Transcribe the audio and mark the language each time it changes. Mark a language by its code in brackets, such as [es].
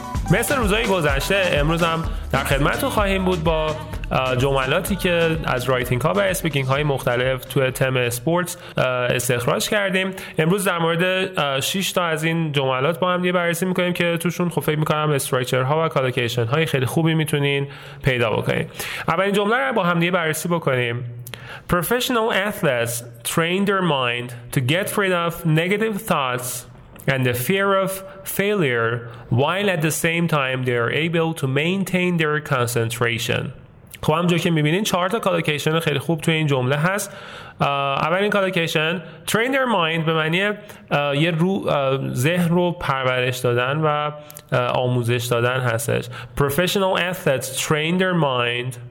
[fa] مثل روزهای گذشته امروز هم در خدمتتون خواهیم بود با جملاتی که از رایتینگ ها و اسپیکینگ های مختلف توی تم اسپورتس استخراج کردیم. امروز در مورد 6 تا از این جملات با هم دیگه بررسی میکنیم که توشون خب فکر میکنم استراکچر ها و کالوکیشن های خیلی خوبی میتونین پیدا بکنین. اولین جمله رو با هم دیگه بررسی بکنیم. [en] Professional athletes train their mind to get rid of negative thoughts and the fear of failure while at the same time they are able to maintain their concentration. [fa] خب همجور که میبینین چهار تا کالوکیشن خیلی خوب توی این جمله هست. اولین کالوکیشن [en] train their mind [fa] به معنی یه رو ذهن رو پرورش دادن و آموزش دادن هستش. [en] Professional athletes train their mind.